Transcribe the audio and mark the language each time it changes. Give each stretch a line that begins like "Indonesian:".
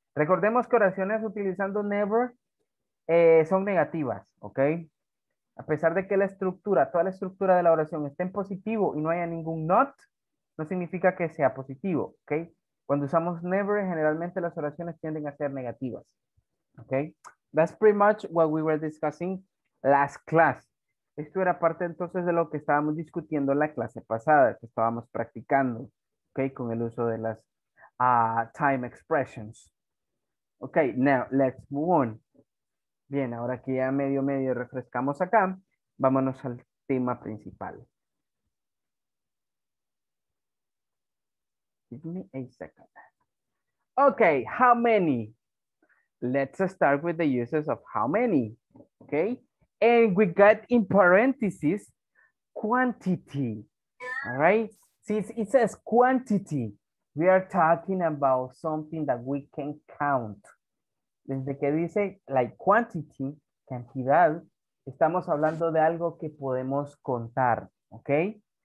Spanish: Recordemos que oraciones utilizando never son negativas, ¿ok? A pesar de que la estructura, toda la estructura de la oración esté en positivo y no haya ningún not, no significa que sea positivo, ¿ok? Cuando usamos never, generalmente las oraciones tienden a ser negativas, ¿ok?
English: That's pretty much what we were discussing last class.
Spanish: Esto era parte entonces de lo que estábamos discutiendo en la clase pasada, que estábamos practicando, ¿ok? Con el uso de las
English: time expressions. Okay, now let's move on.
Spanish: Bien, ahora que ya medio refrescamos acá, vámonos al tema principal.
English: Give me a second. Okay, how many? Let's start with the uses of how many. Okay, and we got in parentheses quantity. All right, since it says quantity, we are talking about something that we can count.
Spanish: Desde que dice like quantity, cantidad, estamos hablando de algo que podemos contar, ¿ok?